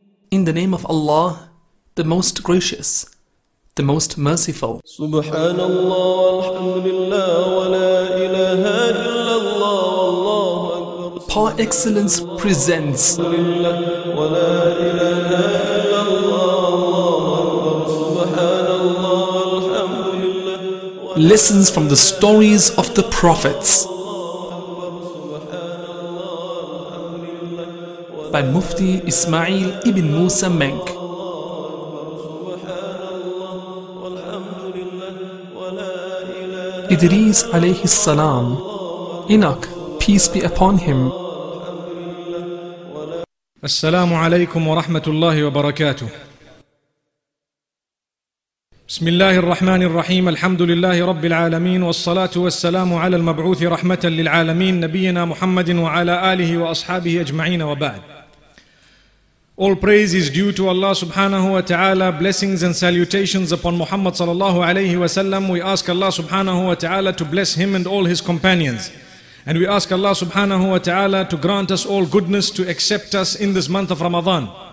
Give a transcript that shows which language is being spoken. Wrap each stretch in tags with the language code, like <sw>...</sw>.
<en>In the name of Allah, the most gracious, the most merciful.</en> <ar>سبحان الله والحمد لله ولا إله إلا الله والله أكبر.</ar> <en>Par excellence presents. Lessons from the stories of the prophets by Mufti Ismail ibn Musa Menk. Idrees alayhi salam, Enoch, peace be upon him.</en> <ar>Assalamu alaykum wa rahmatullahi wa barakatuh. بسم الله الرحمن الرحيم الحمد لله رب العالمين والصلاة والسلام على المبعوث رحمة للعالمين نبينا محمد وعلى آله وأصحابه أجمعين وبعد.</ar> <en>All praise is due to Allah subhanahu wa ta'ala. Blessings and salutations upon Muhammad sallallahu alayhi wa sallam. We ask Allah subhanahu wa ta'ala to bless him and all his companions. And we ask Allah subhanahu wa ta'ala to grant us all goodness to accept us in this month of Ramadan.</en>